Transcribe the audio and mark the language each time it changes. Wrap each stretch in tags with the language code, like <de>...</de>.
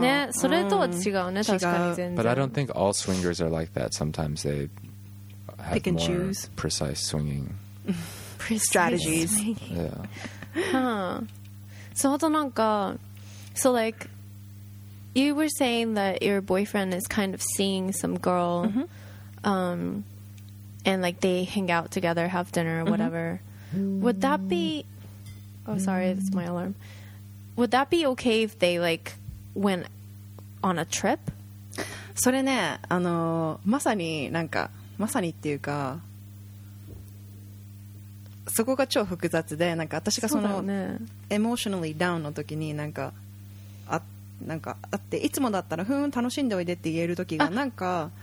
<ja>ね、それとは違うね、確かに全然。</ja> <en>But I don't think all swingers are like that. Sometimes they have more choose. Precise swinging strategies. Yeah. Huh. So なんか so like you were saying that your boyfriend is kind of seeing some girl. Mm-hmm. And like they hang out together, have dinner or whatever. Mm-hmm. Would that be it's my alarm. Would that be okay if they like went on a trip?</en> <ja>それね、まさになんかまさにっていうかそこが超複雑で、なんか私がそのエモーショナリーダウンの時になんかあっていつもだったらふーん楽しんでおいでって言える時がなんか</ja>